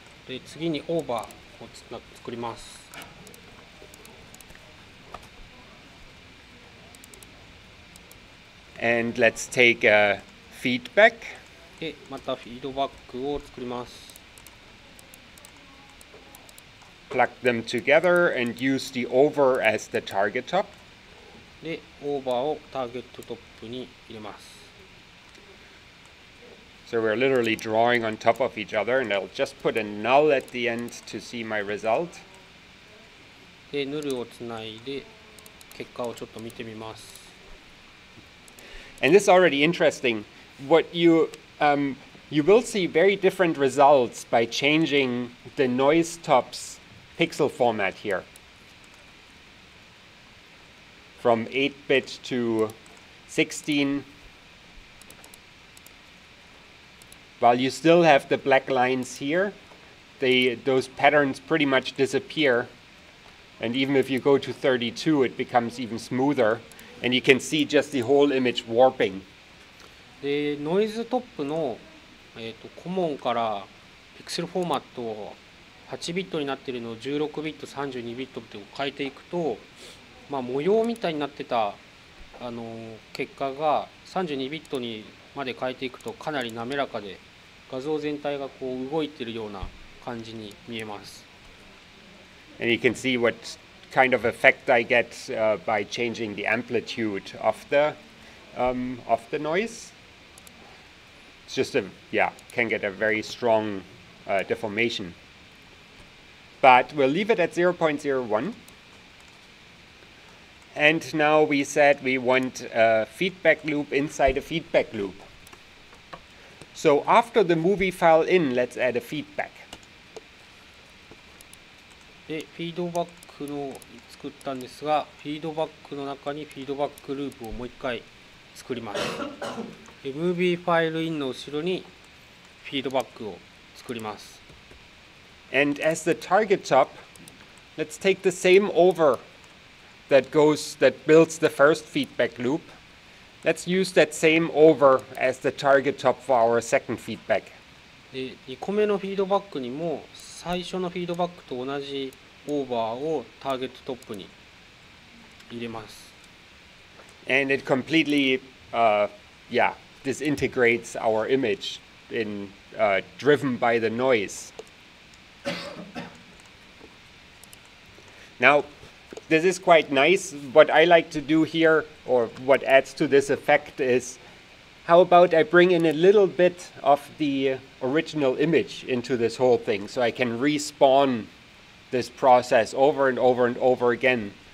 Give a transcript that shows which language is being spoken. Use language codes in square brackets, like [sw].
[ja] で、次にオーバーを作ります。 [en] And let's take a feedback. [ja] で、またフィードバックを作ります。 [en] Plug them together and use the over as the target top. [ja] で、オーバーをターゲットトップに入れます。 [en] So we're literally drawing on top of each other, and I'll just put a null at the end to see my result. [ja] で、ヌルをつないで、結果をちょっと見てみます。 [en] And this is already interesting. What you will see very different results by changing the noise top's pixel format here. From 8-bit to 16. While you still have the black lines here, those patterns pretty much disappear. And even if you go to 32, it becomes even smoother. And you can see just the whole image warping. [ja] で、ノイズトップの、コモンからピクセルフォーマットを8ビットになっているのを16ビット、32ビットって変えていくと、まあ、模様みたいになってた結果が32ビットにまで変えていくとかなり滑らかで、画像全体がこう動いているような感じに見えます。 [en] And you can see what kind of effect I get by changing the amplitude of the noise. It's just can get a very strong deformation. But we'll leave it at 0.01. And now we said we want a feedback loop inside a feedback loop. So after the movie file in, let's add a feedback. [ja] で、フィードバックの作ったんですが、フィードバックの中にフィードバックループをもう一回作ります。で、ムービーファイルインの後ろにフィードバックを作ります。 [en] And as the target top, let's take the same over that builds the first feedback loop. Let's use that same over as the target top for our second feedback. [ja] で、2個目のフィードバックにも最初のフィードバックと同じオーバーをターゲットトップに入れます。 [en] And it completely, disintegrates our image in, driven by the noise. Now, this is quite nice. What I like to do here, or what adds to this effect, is how about I bring in a little bit of the original image into this whole thing so I can respawn this process over and over and over again.